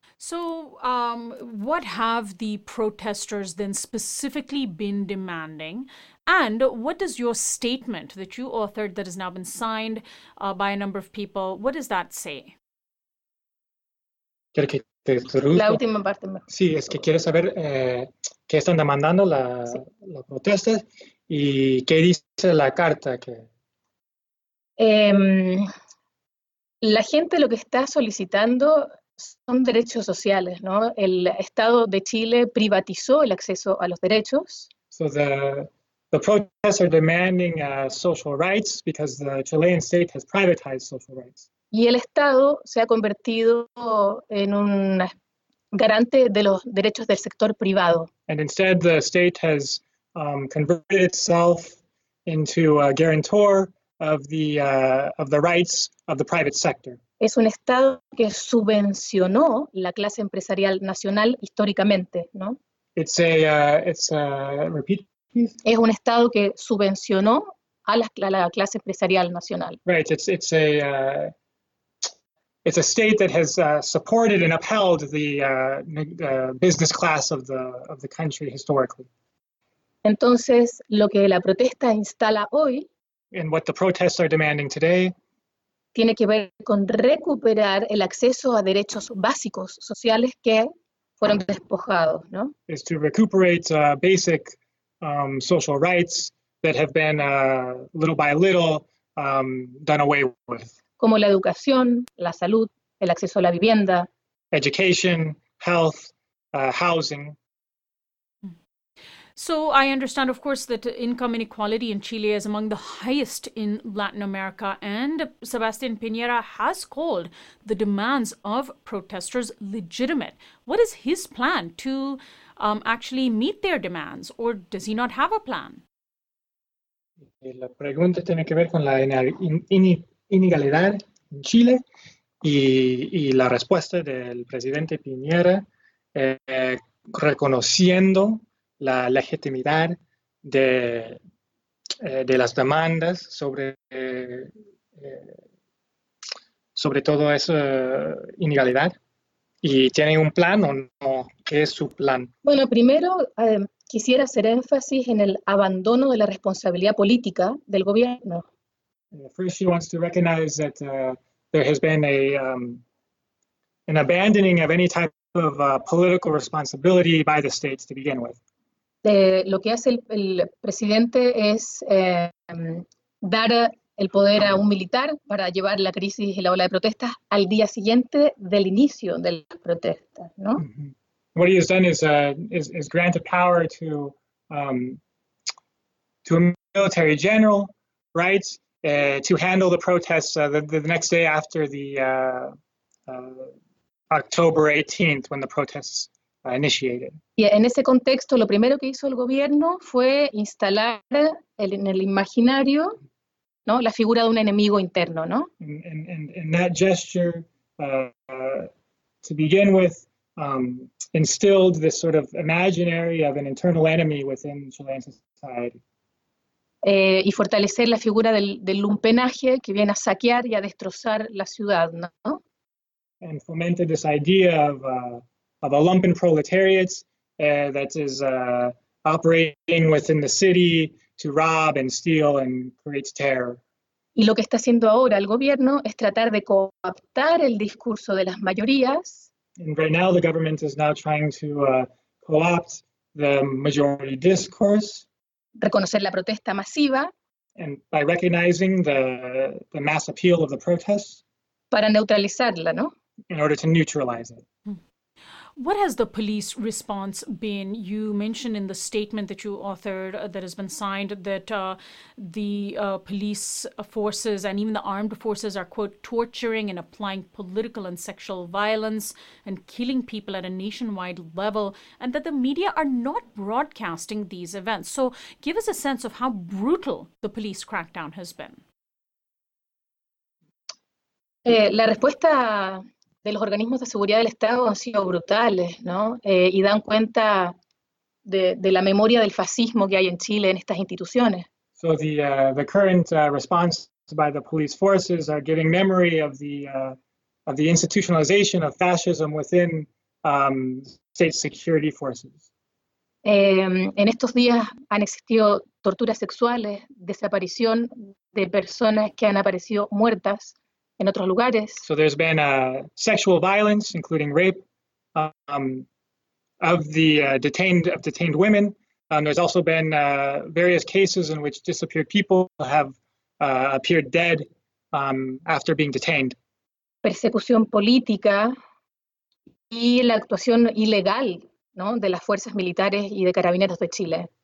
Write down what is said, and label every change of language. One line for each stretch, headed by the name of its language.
English: So what have the protesters then specifically been demanding? And what does your statement that you authored that has now been signed by a number of people, what does that say?
Spanish: Quiero que te traduzco. La última parte. Sí, es que quiero saber qué están demandando la, sí. La protesta y qué dice la carta que. La gente lo que está solicitando son derechos sociales, ¿no? El Estado de Chile privatizó el acceso a los derechos.
English: So the protests are demanding social rights because the Chilean state has privatized social rights.
Spanish: Y el Estado se ha convertido en un garante de los derechos del sector privado.
English: And instead the state has converted itself into a guarantor of the rights of the private sector.
Spanish: Es un Estado que subvencionó la clase empresarial nacional históricamente, ¿no?
English: It's a repeat, please.
Spanish: Es un Estado que subvencionó a la clase empresarial nacional.
English: Right, it's a state that has supported and upheld the business class of the country historically.
Spanish: Entonces, lo que la protesta instala hoy,
English: and what the protests are demanding today,
Spanish: tiene que ver con recuperar el acceso a derechos básicos sociales que fueron despojados, ¿no?
English: Is to recuperate basic social rights that have been little by little done away with.
Spanish: Como la educación, la salud, el acceso a la vivienda.
English: Education, health, housing. So I understand, of course, that income inequality in Chile is among the highest in Latin America, and Sebastián Piñera has called the demands of protesters legitimate. What is his plan to actually meet their demands, or does he not have a plan?
Spanish: La pregunta tiene que ver con la inequidad en Chile y la respuesta del presidente Piñera reconociendo la legitimidad de las demandas sobre todo esa inequidad, y tiene un plan o no, ¿qué es su plan? Bueno, primero quisiera hacer énfasis en el abandono de la responsabilidad política del gobierno.
English: First, she wants to recognize that there has been an abandoning of any type of political responsibility by the states to begin with.
Spanish: Lo que hace el presidente es dar el poder a un militar para llevar la crisis y la ola de protestas al día siguiente del inicio de las protestas, ¿no? Mm-hmm.
English: What he has done is granted power to a military general, right, to handle the protests the next day after the October 18th, when the protests initiated.
Spanish: Y en ese contexto, lo primero que hizo el gobierno fue instalar en el imaginario, ¿no?, la figura de un enemigo interno, ¿no?
English: In that gesture, to begin with, instilled this sort of imaginary of an internal enemy within Chilean society.
Spanish: Y fortalecer la figura del lumpenaje que viene a saquear y a destrozar la ciudad, ¿no?
English: And fomented this idea of a lumpen proletariat that is operating within the city to rob and steal and create terror.
Spanish: Y lo que está haciendo ahora el gobierno es tratar de cooptar el discurso de las mayorías.
English: And right now the government is now trying to co-opt the majority discourse.
Spanish: Reconocer la protesta masiva.
English: And by recognizing the mass appeal of the protests.
Spanish: Para neutralizarla, ¿no?
English: In order to neutralize it. What has the police response been? You mentioned in the statement that you authored that has been signed that the police forces and even the armed forces are, quote, torturing and applying political and sexual violence and killing people at a nationwide level, and that the media are not broadcasting these events. So give us a sense of how brutal the police crackdown has been.
Spanish: La respuesta de los organismos de seguridad del Estado han sido brutales, ¿no? Y dan cuenta de la memoria del fascismo que hay en Chile en estas instituciones.
English: So the current response by the police forces are giving memory of the institutionalization of fascism within state security forces.
Spanish: En estos días han existido torturas sexuales, desaparición de personas que han aparecido muertas en otros lugares.
English: So there's been sexual violence, including rape, of the detained women. There's also been various cases in which disappeared people have appeared dead after being detained.
Spanish: Persecución política y la actuación ilegal, ¿no?, de las fuerzas militares y de carabineros de Chile.